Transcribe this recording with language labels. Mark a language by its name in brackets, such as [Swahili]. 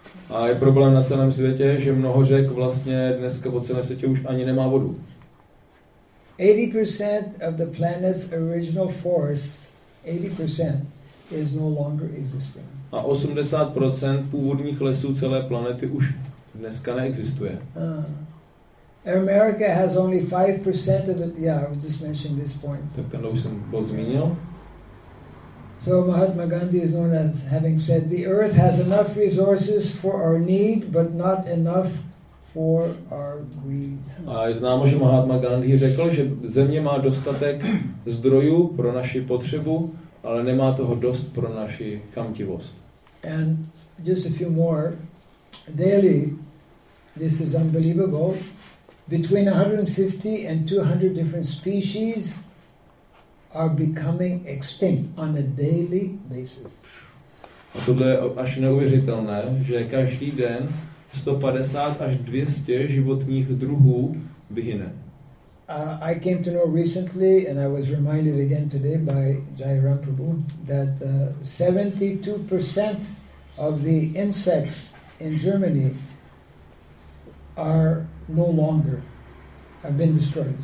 [Czech] A je problém na celém světě, že mnoho řek vlastně dneska po celém světě už ani nemá vodu. [English] 80% of the planet's original forests, 80% is no longer existing. [Czech] A 80% původních lesů celé planety už dneska neexistuje. [English] America has only 5% of it. Yeah, I was just mentioning this point. [Czech] Tak tenhle už jsem bod zmínil. [English] So Mahatma Gandhi is known as having said, the earth has enough resources for our need, but not enough for our greed. [Czech] A je známo, že Mahatma Gandhi řekl, že země má dostatek zdrojů pro naši potřebu, ale nemá toho dost pro naši chamtivost. [English] And just a few more. Daily, this is unbelievable, between 150 and 200 different species are becoming extinct on a daily basis. [Czech] A tohle je až neuvěřitelné, že každý den 150 až 200 životních druhů vyhyne. [English] I came to know recently and I was reminded again today by Jairam Prabhu that 72% of the insects in Germany are no longer have been destroyed.